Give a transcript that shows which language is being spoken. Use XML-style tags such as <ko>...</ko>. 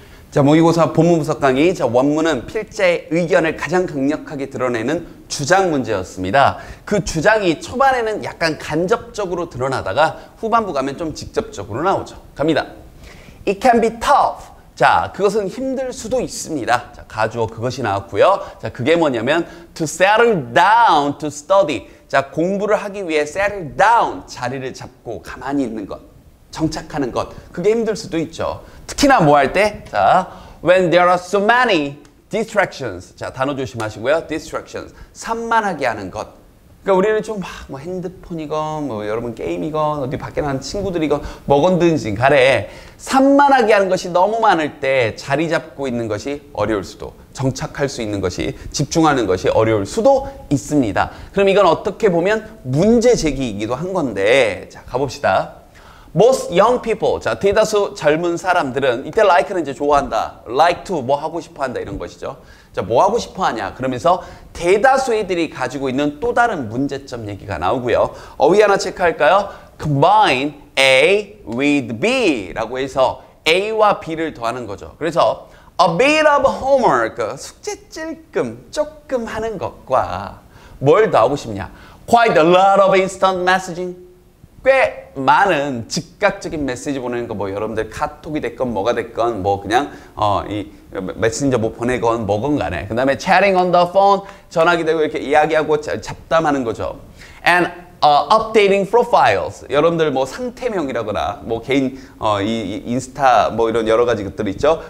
<ko>자, 모의고사 본문부석 강의. 자, 원문은 필자의 의견을 가장 강력하게 드러내는 주장 문제였습니다. 그 주장이 초반에는 약간 간접적으로 드러나다가 후반부 가면 좀 직접적으로 나오죠. 갑니다.</ko> <en>It can be tough.</en> <ko>자, 그것은 힘들 수도 있습니다. 자, 가주어 그것이 나왔고요. 자, 그게 뭐냐면</ko> <en>to settle down to study.</en> <ko>자, 공부를 하기 위해 settle down, 자리를 잡고 가만히 있는 것, 정착하는 것, 그게 힘들 수도 있죠. 특히나 뭐 할 때?</ko> <en>자, when there are so many distractions.</en> <ko>자, 단어 조심하시고요. distractions. 산만하게 하는 것. 그러니까 우리는 좀 막 뭐 핸드폰이건, 뭐 여러분 게임이건, 어디 밖에 나는 친구들이건, 뭐건든지 간에 산만하게 하는 것이 너무 많을 때 자리 잡고 있는 것이 어려울 수도, 정착할 수 있는 것이, 집중하는 것이 어려울 수도 있습니다. 그럼 이건 어떻게 보면 문제 제기이기도 한 건데, 자, 가봅시다.</ko> <en>Most young people,</en> <ko>자, 대다수 젊은 사람들은, 이때 like는 이제 좋아한다, like to, 뭐 하고 싶어 한다, 이런 것이죠. 자, 뭐 하고 싶어 하냐, 그러면서 대다수 애들이 가지고 있는 또 다른 문제점 얘기가 나오고요. 어휘 하나 체크할까요?</ko> <en>Combine A with B</en> <ko>라고 해서 A와 B를 더하는 거죠. 그래서</ko> <en>A bit of homework,</en> <ko>숙제 찔끔, 조금 하는 것과 뭘 더하고 싶냐,</ko> <en>Quite a lot of instant messaging.</en> <ko>꽤 많은 즉각적인 메시지 보내는 거, 뭐 여러분들 카톡이 됐건 뭐가 됐건, 뭐 그냥 이 메신저 뭐 보내건 뭐건 간에, 그 다음에</ko> <en>chatting on the phone,</en> <ko>전화기 대고 이렇게 이야기하고 잡담하는 거죠.</ko> <en>And updating profiles,</en> <ko>여러분들 뭐 상태명이라거나 뭐 개인 인스타 뭐 이런 여러 가지 것들 있죠.</ko>